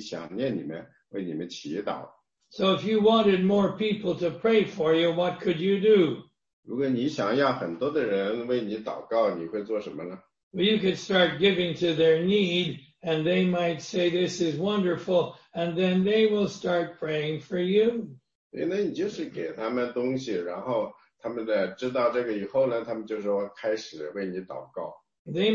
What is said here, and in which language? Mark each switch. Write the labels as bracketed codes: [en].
[zh] 第十四节接着讲，他们也因神极大的恩赐，显在你们心里，就切切地想念你们，为你们祈祷。 [en] So if you wanted more people to pray for you, what could you do? [zh] 如果你想要很多的人为你祷告，你会做什么呢？ [en] Well, you could start giving to their need, and they might say, this is wonderful, and then they will start praying for you. [zh] 对，那你就是给他们东西，然后 他们的知道这个以后呢，他们就说开始为你祷告。 [en] They